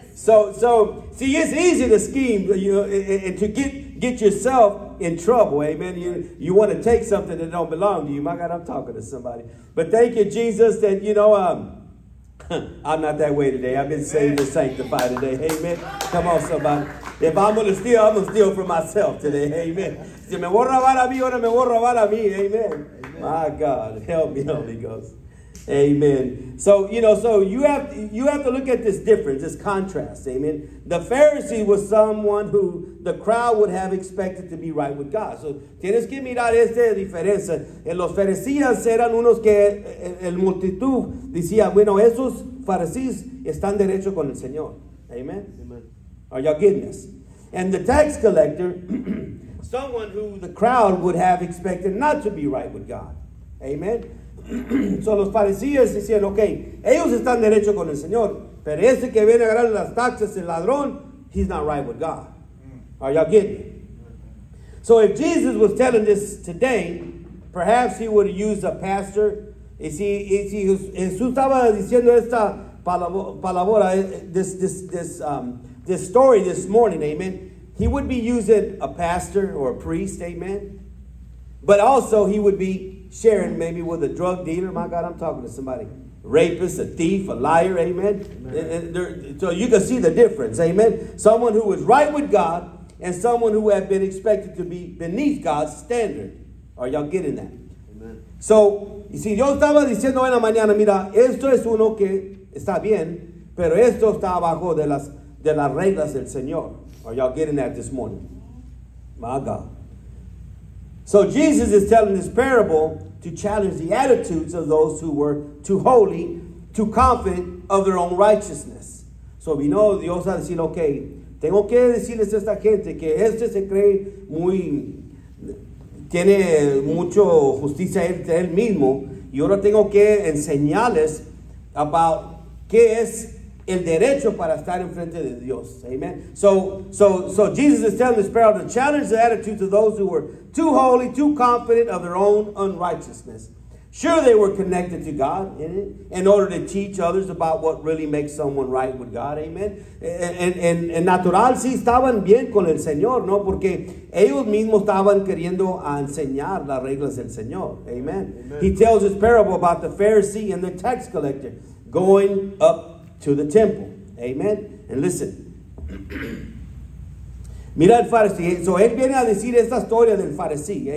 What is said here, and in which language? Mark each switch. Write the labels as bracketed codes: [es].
[en] So see, it's easy to scheme, you know, and to get yourself in trouble. Amen. You want to take something that don't belong to you. My God, I'm talking to somebody. But thank you, Jesus, that, you know, I'm not that way today. I've been saved and sanctified today. Amen. Come on, somebody. If I'm going to steal, I'm going to steal for myself today. Amen. [es] Si me voy a robar a mí, ahora me voy a robar a mí. [en] Amen. My God, help me, Holy Ghost. Amen. So, you know, so you have to look at this difference, this contrast. Amen. The Pharisee was someone who the crowd would have expected to be right with God. [es] So, tienes que mirar esta diferencia. En los fariseos eran unos que el multitud decía, bueno, esos fariseos están derecho con el Señor. [en] Amen. Amen. Are y'all getting this? And the tax collector, someone who the crowd would have expected not to be right with God. [es] Amen. So los fariseos decían, okay, ellos están derecho con el Señor, pero ese que viene a agarrar las taxas, el ladrón, [en] he's not right with God. Are y'all getting it? So if Jesus was telling this today, perhaps he would use a pastor. [es] Y si Jesús estaba diciendo esta palabra, [en] this story this morning, amen, he would be using a pastor or a priest, amen, but also he would be sharing maybe with a drug dealer. My God, I'm talking to somebody. Rapist, a thief, a liar, amen. Amen. So you can see the difference, amen. Someone who was right with God and someone who had been expected to be beneath God's standard. Are y'all getting that? Amen. [es] So, y si yo estaba diciendo en la mañana, mira, esto es uno que está bien, pero esto está abajo de las reglas del Señor. [en] Are y'all getting that this morning? My God. So Jesus is telling this parable to challenge the attitudes of those who were too holy, too confident of their own righteousness. So we know [es] Dios va a decir, okay, tengo que decirles a esta gente que este se cree muy, tiene mucho justicia él mismo. Y ahora tengo que enseñarles about qué es el derecho para estar en frente de Dios. Amen. [en] So Jesus is telling this parable to challenge the attitudes of those who were too holy, too confident of their own unrighteousness. Sure, they were connected to God in order to teach others about what really makes someone right with God. Amen. [es] En natural, sí, estaban bien con el Señor, ¿no? Porque ellos mismos estaban queriendo enseñar las reglas del Señor. [en] Amen. Amen. He tells this parable about the Pharisee and the tax collector going up to the temple. Amen. And listen. [es] Mira el fariseo. So él viene a decir esta historia del fariseo.